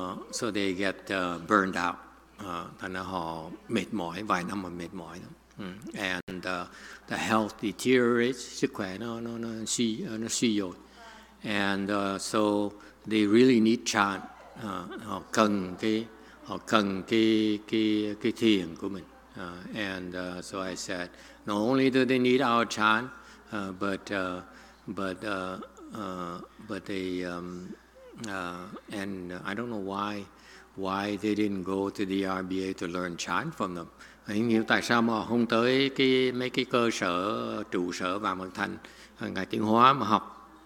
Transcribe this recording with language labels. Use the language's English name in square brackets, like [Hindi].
[English] So they get burned out. [Vietnamese] Thành ra họ mệt mỏi, vài năm mà mệt mỏi lắm. [English] And the health deteriorates, [Vietnamese] sức khỏe nó suy yếu. [English] And so they really need chan. [Vietnamese] Họ cần cái thiền của mình. [English] So I said, not only do they need our chan, I don't know why they didn't go to the RBA to learn chan from them. [Vietnamese] Anh hiểu tại sao mà không tới cái mấy cái cơ sở trụ sở Vạn Mật Thành ngày tiếng Hoa mà học.